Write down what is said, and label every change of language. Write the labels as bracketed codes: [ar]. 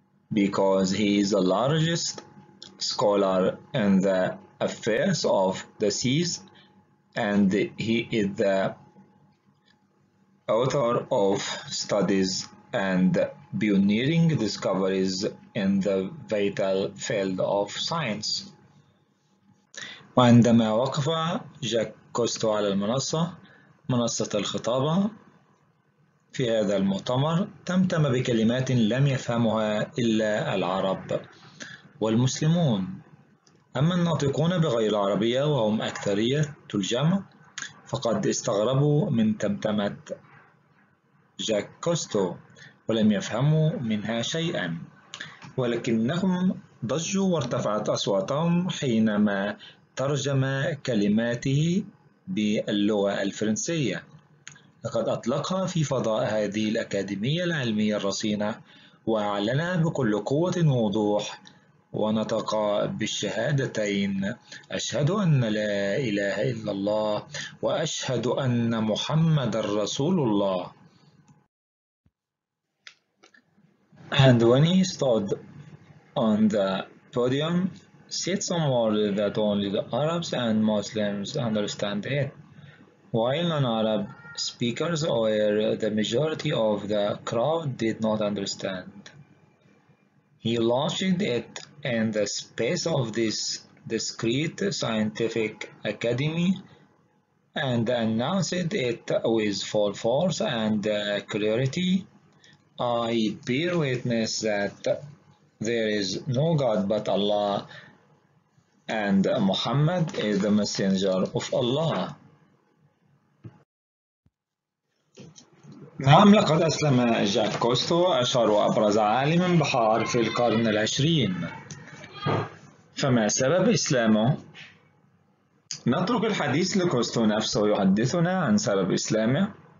[en] because he is the largest scholar in the affairs of the seas, and he is the author of studies and pioneering discoveries in the vital field of science. [ar] وعندما وقف جاك كوستو على المنصة، منصة الخطابة في هذا المؤتمر، تمتم بكلمات لم يفهمها إلا العرب والمسلمون. أما الناطقون بغير العربية وهم أكثرية الجمع، فقد استغربوا من تمتمة جاك كوستو ولم يفهموا منها شيئا، ولكنهم ضجوا وارتفعت أصواتهم حينما ترجم كلماته باللغة الفرنسية. لقد أطلقها في فضاء هذه الأكاديمية العلمية الرصينة وأعلنها بكل قوة ووضوح، ونطق بالشهادتين: أشهد أن لا إله إلا الله، وأشهد أن محمد رسول الله. [en] And when he stood on the podium, said some words that only the Arabs and Muslims understand it. While non-Arab speakers or the majority of the crowd did not understand. He launched it in the space of this discreet scientific academy and announced it with full force and clarity. I bear witness that there is no God but Allah, and Muhammad is the messenger of Allah. [ar] نعم، لقد أسلم جاك كوستو، أشهر وأبرز عالم بحار في القرن العشرين. فما سبب إسلامه؟ نترك الحديث لكوستو نفسه يحدثنا عن سبب إسلامه.